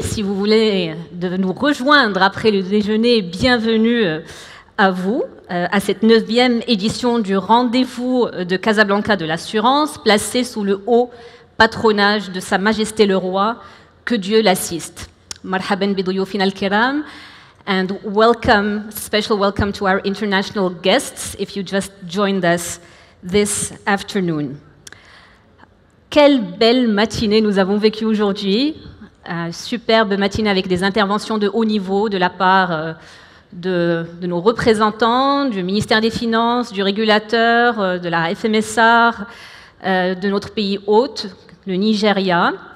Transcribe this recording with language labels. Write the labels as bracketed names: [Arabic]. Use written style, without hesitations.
[French] Si vous voulez de nous rejoindre après le déjeuner, bienvenue à vous, à cette 9e édition du Rendez-vous de Casablanca de l'Assurance, placée sous le haut patronage de Sa Majesté le Roi, que Dieu l'assiste. [Arabic] Marhaben bidouyoufina al-kiram. [English] And welcome, special welcome to our international guests, if you just joined us this afternoon. [French] Quelle belle matinée nous avons vécue aujourd'hui. Superbe matinée avec des interventions de haut niveau de la part de nos représentants, du ministère des Finances, du régulateur, de la FMSR, de notre pays hôte, le Nigeria.